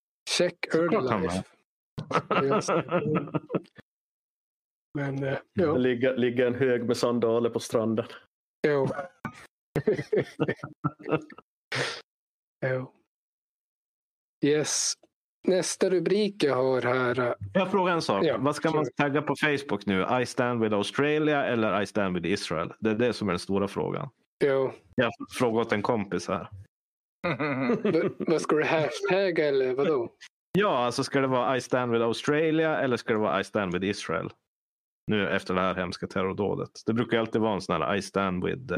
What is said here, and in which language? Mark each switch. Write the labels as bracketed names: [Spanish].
[Swedish] Check Erdlife. Han är. Men, ja. Ligger en hög med sandaler på stranden. Jo. [English] Yes. [Swedish] Nästa rubrik jag har här... Jag frågar en sak. Ja, vad ska man tagga på Facebook nu? [English] I stand with Australia [Swedish] eller [English] I stand with Israel? [Swedish] Det är det som är den stora frågan. Jo. Jag har frågat en kompis här. Vad ska du hashtagga eller vadå? Ja, alltså ska det vara [English] I stand with Australia [Swedish] eller ska det vara [English] I stand with Israel? [Swedish] nu efter det här hemska terrordådet. Det brukar alltid vara en sån här [English] I stand with the...